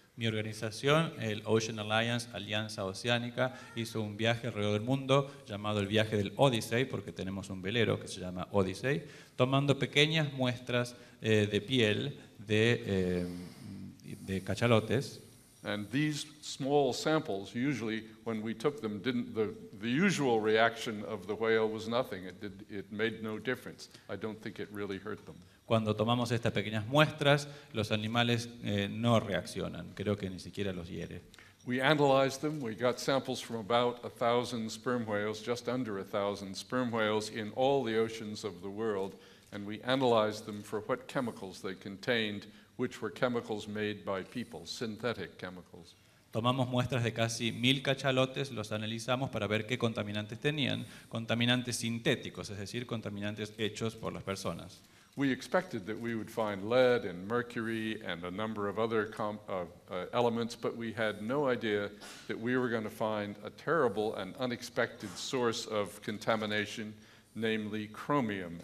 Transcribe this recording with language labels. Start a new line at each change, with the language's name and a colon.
Spanish: Mi organización, el Ocean Alliance, Alianza Oceánica, hizo un viaje alrededor del mundo llamado el viaje del Odyssey, porque tenemos un velero que se llama Odyssey, tomando pequeñas muestras de piel de cachalotes.
English: And these small samples, usually when we took them, didn't the usual reaction of the whale was nothing. It made no difference. I don't think it really hurt them.
Spanish: Cuando tomamos estas pequeñas muestras, los animales no reaccionan. Creo que ni siquiera los hiere.
English: We analyzed them. We got samples from about 1,000 sperm whales, just under 1,000 sperm whales in all the oceans of the world, and we analyzed them for what chemicals they contained, which were chemicals made by people, synthetic chemicals.
Spanish: Tomamos muestras de casi 1,000 cachalotes, los analizamos para ver qué contaminantes tenían, contaminantes sintéticos, es decir, contaminantes hechos por las personas.
English: We expected that we would find lead and mercury and a number of other elements, but we had no idea that we were going to find a terrible and unexpected source of contamination, namely chromium.